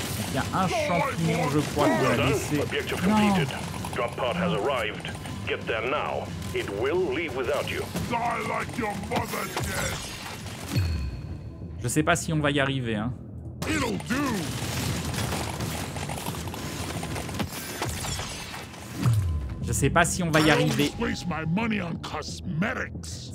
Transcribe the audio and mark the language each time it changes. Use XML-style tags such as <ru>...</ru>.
<fr>Il y a un champignon, je crois, qu'on a laissé. Non.</fr> <en>Drop pod has arrived. Get there now. It will leave without you. Die like your mother did.</en> <fr>Je sais pas si on va y arriver, hein.</fr> <en>It'll do.</en> <fr>Je sais pas si on va y arriver.</fr> <en>I always waste my money on cosmetics.</en>